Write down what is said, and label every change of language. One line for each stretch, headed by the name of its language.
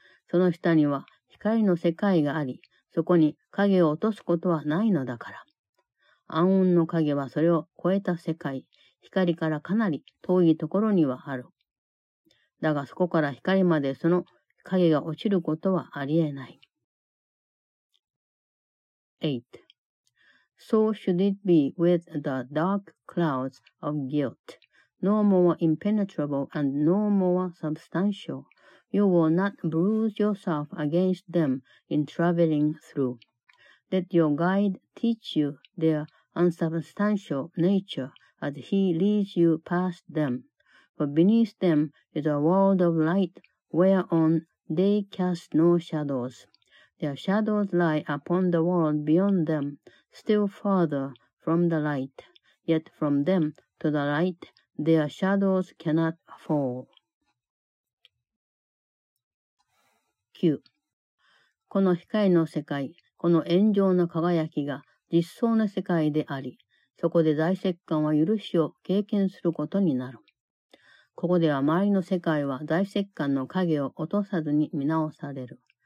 Japanese: その下には光の世界があり、そこに影を落とすことはないのだから。暗雲の影はそれを超えた世界、光からかなり遠いところにはある。だがそこから光までその影が落ちることはありえない。 8.
English: So should it be with the dark clouds of guilt, no more impenetrable and no more substantial. You will not bruise yourself against them in traveling through. Let your guide teach you their unsubstantial nature as he leads you past them. For beneath them is a world of light whereon they cast no shadows. Their shadows lie upon the world beyond them, still farther from the light. Yet from them to the light, their shadows cannot fall. 9.
Japanese: この光の世界、この炎上の輝きが実相の世界であり、そこで大石棺は許しを経験することになる。ここでは周りの世界は大石棺の影を落とさずに見直される。